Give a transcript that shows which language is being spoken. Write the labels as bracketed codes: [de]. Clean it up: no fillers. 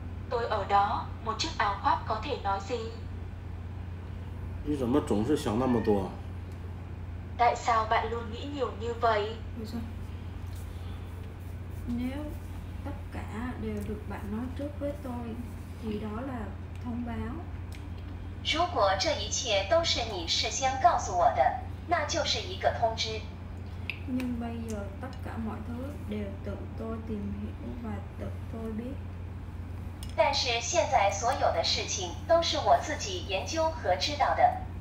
[vi] Tôi ở đó, một chiếc áo khoác có thể nói gì? [zh] 你怎么总是想那么多？ [vi] Tại sao bạn luôn nghĩ nhiều như vậy? Nếu tất cả đều được bạn nói trước với tôi, thì đó là thông báo. [zh] 如果这一切都是你事先告诉我的, 那就是一个通知。 [vi] Nhưng bây giờ tất cả mọi thứ đều tự tôi tìm hiểu và tự tôi biết. [zh] 但是现在所有的事情都是我自己研究和知道的。